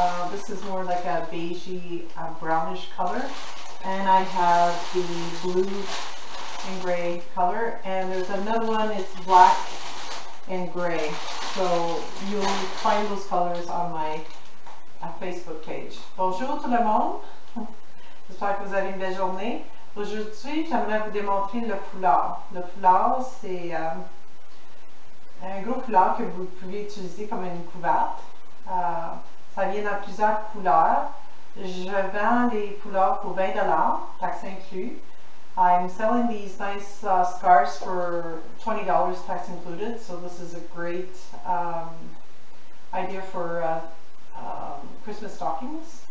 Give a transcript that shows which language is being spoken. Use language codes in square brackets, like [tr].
[en] This is more like a beigey, brownish color. And I have the blue and gray color. And there's another one, it's black and gray. So you'll find those colors on my Facebook page. [fr] Bonjour tout le monde. J'espère que vous avez une belle journée. Aujourd'hui, j'aimerais vous démontrer le foulard. Le foulard, c'est un gros foulard que vous pouvez utiliser comme une couverte. Ça vient dans plusieurs couleurs. Je vends les foulards pour 20$, taxes incluses. [en] I'm selling these nice scarves for $20, tax included. So this is a great idea for Christmas stockings.